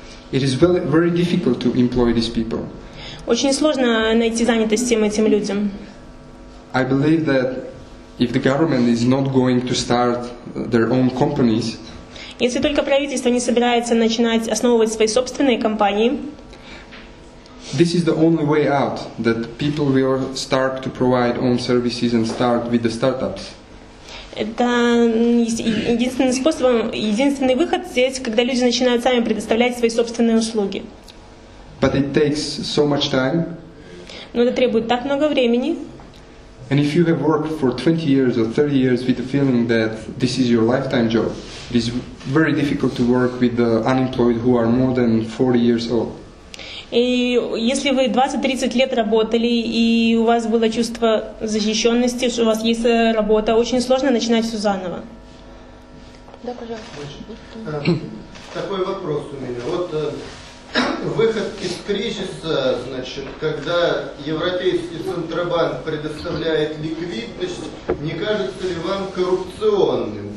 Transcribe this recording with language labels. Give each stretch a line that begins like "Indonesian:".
English: It is very difficult to employ these people.
Russian: Очень сложно найти занятость тем этим людям.
English: I believe that if the government is not going to start their own companies,
Russian: если только правительство не собирается начинать основывать свои собственные компании,
English: this is the only way out, that people will start to provide own services and start with the startups.
Russian: Это единственный способ, единственный выход здесь, когда люди начинают сами предоставлять свои собственные услуги.
English: But it takes so much time.
Russian: Но это требует так много времени.
English: And if you have worked for 20 years or 30 years with the feeling that this is your lifetime job, it is very difficult to work with the unemployed who are more than 40 years old.
Russian: И если вы 20-30 лет работали и у вас было чувство защищенности, что у вас есть работа, очень сложно начинать все заново. Да, пожалуйста. Такой вопрос у меня. Вот выход из кризиса, значит, когда Европейский Центробанк предоставляет ликвидность, не кажется ли вам коррупционным?